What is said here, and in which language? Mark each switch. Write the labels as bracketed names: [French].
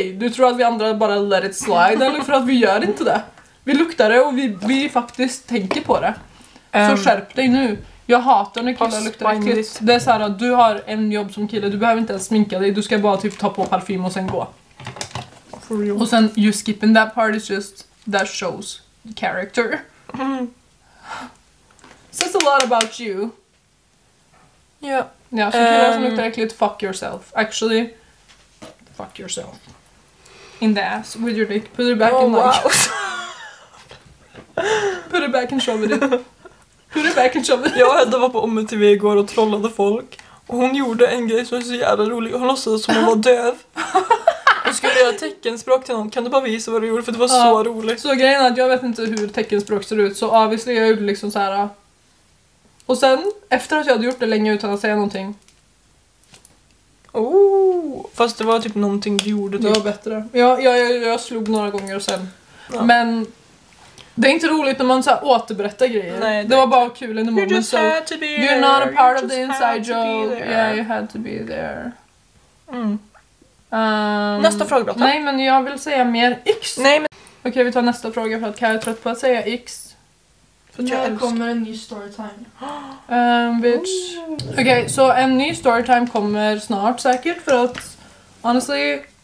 [Swedish] Okay? Du tror att vi andra bara [English] let it slide [Swedish] eller för att vi gör inte det? Vi luktar det och vi faktiskt tänker på det. Så skärp dig nu. Jag hatar när killar luktar äckligt. Det är så här att du har en jobb som kille. Du behöver inte ens sminka dig. Du ska bara typ ta på parfym och sen gå. [English] For real. [Swedish] Och sen, [English] you skipping that part is just... That shows character. Mm. Says a lot about you. Yeah. [Swedish] Ja, så killar som luktar äckligt, [English] fuck yourself. Actually, fuck yourself. In the ass with your dick. Put it back in like... Wow. Put it back and show it. Put it back and show it. [Swedish] Jag och Hedda var på OmTV igår och trollade folk. Och hon gjorde en grej som var så jävla rolig. Hon låtsades som hon var döv. Hon skulle göra teckenspråk till någon. Kan du bara visa vad du gjorde? För det var så roligt. Så grejen är att jag vet inte hur teckenspråk ser ut. Så obviously jag gjorde liksom så här. Och sen, efter att jag hade gjort det länge utan att säga någonting. Oh, fast det var typ någonting du gjorde. Det var bättre. Jag slog några gånger och sen. Ja. Men... Det är inte roligt när man så här återberättar grejer. Nej, det var bara kul under moment. [English] You just so, had to be there. You're not a part of the inside joke. Yeah, you had to be there. [Swedish] Mm. Nästa fråga, Blata. Nej, men jag vill säga mer X. Nej, men... Okej, vi tar nästa fråga för att Kaj är trött på att säga X. För att när kommer en ny storytime? [English] Bitch. [Swedish] Okej, så en ny storytime kommer snart säkert för att... Honestly...